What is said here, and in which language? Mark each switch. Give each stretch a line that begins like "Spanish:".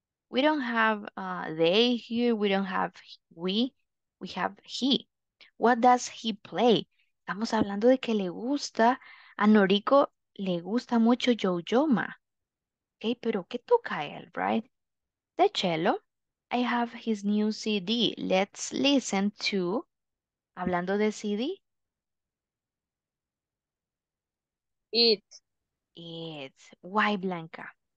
English: We don't have they here, we don't have we have he. What does he play?
Spanish: Estamos hablando de que le gusta, a Noriko le gusta mucho Jojoma. Okay, pero ¿qué toca él, right?
English: The cello. I have his new CD. Let's listen to
Spanish: Hablando de CD.
English: It. It. Why, Blanca?